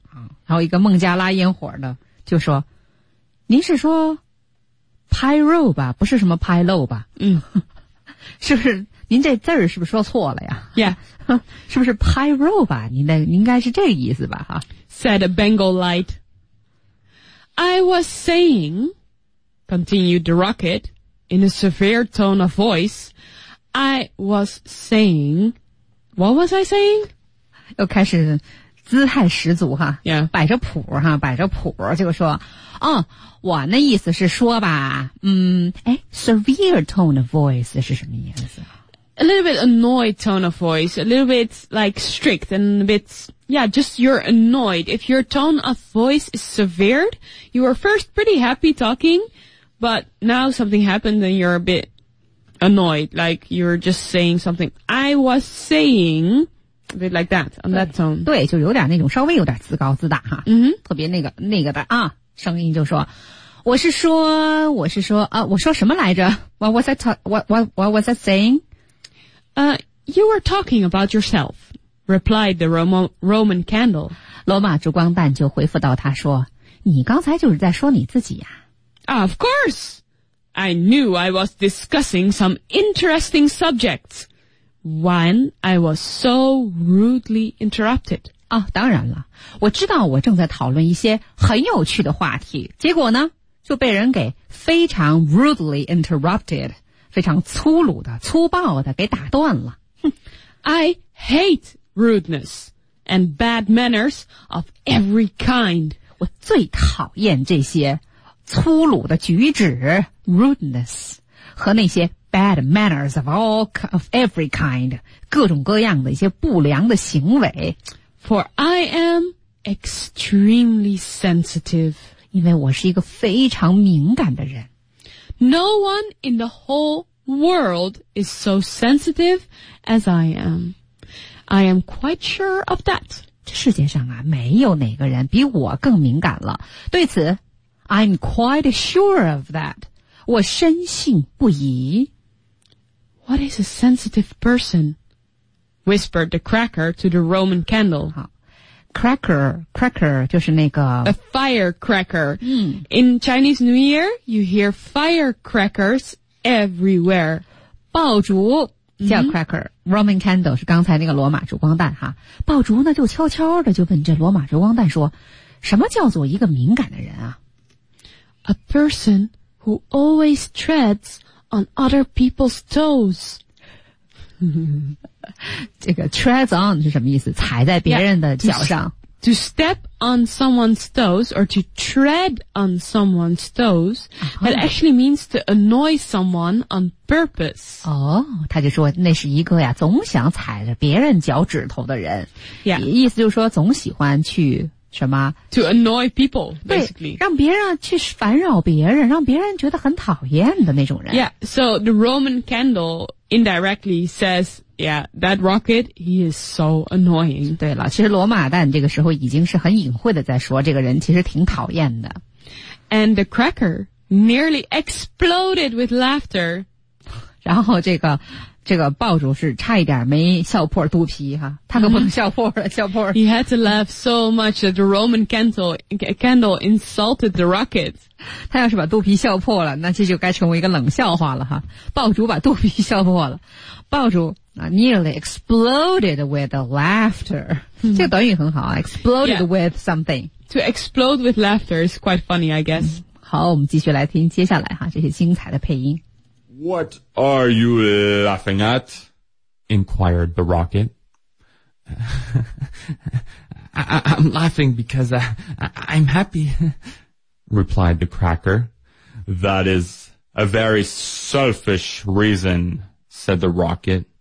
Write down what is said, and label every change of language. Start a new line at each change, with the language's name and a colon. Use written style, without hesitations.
Chinese: 啊，然后一个孟加拉烟火的就说：“您是说 pyro 吧？不是什么 pyro 吧？” 嗯。是不是您这字儿是不是说错了呀
English: ？Yeah，
Chinese: 是不是 pyro 吧？您的应该是这个意思吧？哈
English: ，said a Bengal light. I was saying, continued the rocket in a severe tone of voice. I was saying, what was I saying?
Chinese: 又开始姿态十足哈
English: ，Yeah，
Chinese: 摆着谱哈，摆着谱，这个说。哦，我那意思是说吧，
English: severe tone of voice
Chinese: 是什么意思？
English: A little bit annoyed tone of voice, a little bit like strict and a bit, yeah, just you're annoyed. If your tone of voice is severed, you were first pretty happy talking, but now something happened and you're a bit annoyed, like you're just saying something. I was saying... A bit like that, on that tone.
Chinese: 对，就有点那种稍微有点自高自大哈。嗯、mm-hmm. 特别那个的啊，声音就说，我是说啊，我说什么来着 ？
English: What was I saying? You were talking about yourself, replied the Roman candle.
Chinese: 罗马烛光弹就回复到他说，你刚才就是在说你自己呀、啊。
English: Of course, I knew I was discussing some interesting subjects. When I was so rudely interrupted.
Chinese: 啊、哦、当然了。我知道我正在讨论一些很有趣的话题。结果呢就被人给非常
English: rudely interrupted,
Chinese: 非常粗鲁的粗暴的给打断了。
English: I hate rudeness and bad manners of every kind.
Chinese: 我最讨厌这些粗鲁的举止 rudeness, 和那些
English: Bad manners of all of every kind,
Chinese: 各种各样的一些不良的行为。
English: For I am extremely sensitive.
Chinese: 因为我是一个非常敏感的人。
English: No one in the whole world is so sensitive as I am. I am quite sure of that.
Chinese: 这世界上啊，没有哪个人比我更敏感了。对此
English: I'm quite sure of that.
Chinese: 我深信不疑。
English: What is a sensitive person? Whispered the cracker to the Roman candle.
Chinese: Cracker 就是那个
English: A firecracker. In Chinese New Year, you hear firecrackers everywhere.
Chinese: 爆竹叫 cracker. Roman candle 是刚才那个罗马烛光弹哈。爆竹呢就悄悄的就问这罗马烛光弹说什么叫做一个敏感的人啊
English: A person who always treads on other people's toes.
Chinese: 这个 treads on 是什么意思踩在别人的脚上
English: to step on someone's toes or to tread on someone's toes that actually means to annoy someone on purpose
Chinese: 哦、他就说那是一个呀总想踩着别人脚趾头的人、
English: yeah.
Chinese: 意思就是说总喜欢去什么
English: to annoy people basically
Chinese: 对让别人去烦扰别人让别人觉得很讨厌的那种人
English: yeah so the Roman candle indirectly saysYeah, that rocket, he is so annoying.
Chinese: 对了，其实罗马蛋这个时候已经是很隐晦的在说这个人其实挺讨厌的。
English: And the cracker nearly exploded with laughter.
Chinese: 然后这个爆竹是差一点没笑破肚皮哈，他可不能笑破了，笑破了。
English: He had to laugh so much that the Roman candle insulted the rocket.
Chinese: 他要是把肚皮笑破了，那这就该成为一个冷笑话了哈。爆竹把肚皮笑破了，爆竹。
English: Nearly exploded with laughter.、Mm-hmm.
Chinese: 这个短语很好 exploded、yeah.
English: with something. To explode with laughter is quite funny, I guess.、
Chinese: 好我们继续来听接下来哈这些精彩的配音。
English: What are you laughing at? Inquired the rocket. I'm laughing because I'm happy, replied the cracker. That is a very selfish reason, said the rocket.